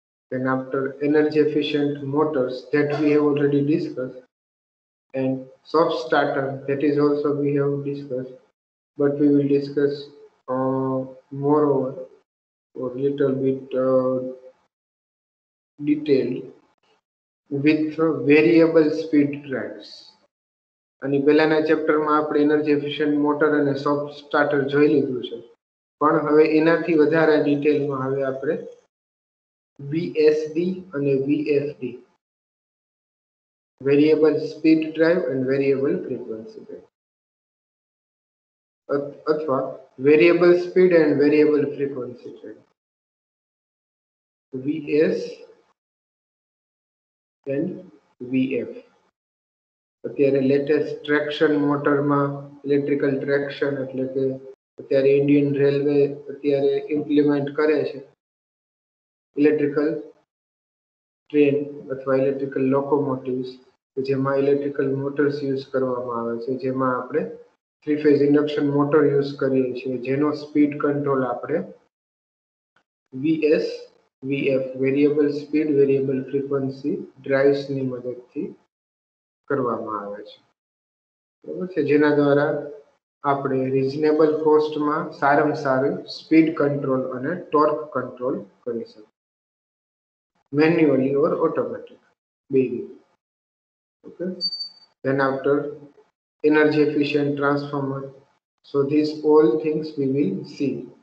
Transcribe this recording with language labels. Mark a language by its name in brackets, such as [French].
[English] Then after, energy efficient motors, that we have already discussed, and soft starter, that is also we have discussed, but we will discuss moreover or little bit detailed with variable speed drives. [Gujarati] અને પહેલાના ચેપ્ટરમાં આપણે energy efficient motor અને soft starter જોઈ લીધું છે, પણ હવે એનાથી વધારે ડિટેલમાં હવે આપણે VSD અને VFD, variable speed drive and variable frequency drive, અથવા variable speed and variable frequency drive, VS and VF. અત્યારે લેટેસ્ટ ટ્રેક્શન મોટરમાં ઇલેક્ટ્રિકલ ટ્રેક્શન, એટલે કે અત્યારે ઇન્ડિયન રેલવે અત્યારે ઇમ્પ્લિમેન્ટ કરે છે ઇલેક્ટ્રિકલ ટ્રેન અથવા ઇલેક્ટ્રિકલ લોકોમોટિવ્સ, કે જેમાં ઇલેક્ટ્રિકલ મોટર્સ યુઝ કરવામાં આવે છે, જેમાં આપણે three phase induction motor use કરીએ છીએ, જેનો સ્પીડ કંટ્રોલ આપણે VS [English] VF, variable speed, variable frequency, drives [Gujarati] ની મદદથી કરવામાં આવે છે. બરાબર છે, જેના દ્વારા આપણે રીઝનેબલ કોસ્ટમાં સારામાં સારી સ્પીડ કંટ્રોલ અને ટોર્ક કંટ્રોલ કરી શકીએ, મેન્યુઅલી ઓર ઓટોમેટિક બે. [English] Okay, then after energy efficient transformer, so this all things we will see.